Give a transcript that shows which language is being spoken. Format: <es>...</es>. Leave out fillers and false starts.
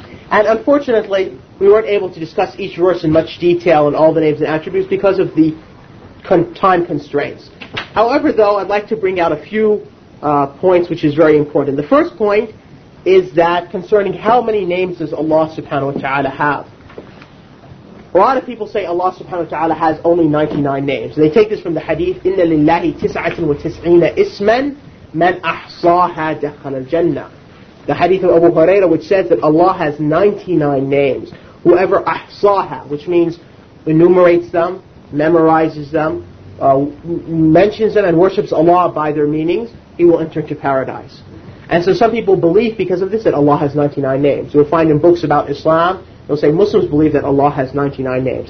<en>And unfortunately, we weren't able to discuss each verse in much detail and all the names and attributes because of the time constraints. However, though, I'd like to bring out a few points which is very important. The first point is that concerning how many names does Allah subhanahu wa ta'ala have. A lot of people say Allah subhanahu wa ta'ala has only 99 names. They take this from the hadith,</en> <ar>إِنَّ لِلَّهِ تِسْعَةٍ وَتِسْعِينَ إِسْمًا مَنْ أَحْصَاهَا دَخَلَ الْجَنَّةِ.</ar> <en>The hadith of Abu Huraira, which says that Allah has 99 names. Whoever أحصاها, which means enumerates them, memorizes them, mentions them and worships Allah by their meanings, he will enter into paradise. And so some people believe because of this that Allah has 99 names. You'll find in books about Islam, they'll say Muslims believe that Allah has 99 names.</en>